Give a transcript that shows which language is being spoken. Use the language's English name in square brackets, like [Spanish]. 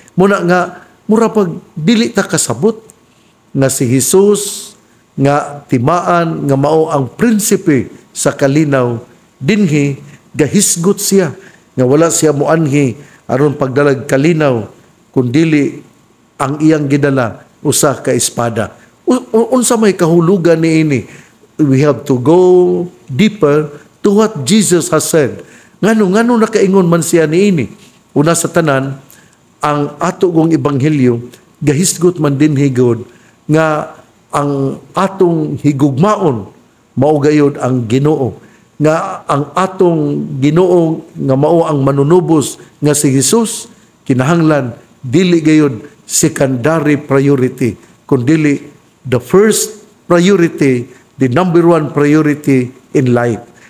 [Cebuano] Muna nga, mura pag dili ta kasabot na si Jesus nga timaan nga mao ang prinsipe sa kalinaw, dinhi gahisgot siya nga wala siya muanhi aron pagdalag kalinaw kundili ang iyang gidala usa ka espada. Unsa may kahulugan ni ini? [English] we have to go deeper to what Jesus has said. [Cebuano] Ngano nakaingon man siya niini? Una sa tanan, ang atong ebanghelyo, gahisgot man din higod, nga ang atong higugmaon, maugayod ang Ginoo. Nga ang atong Ginoo, nga mao ang manunubos, nga si Jesus, kinahanglan, dili gayod secondary priority, kundili [English] the first priority, the number one priority in life.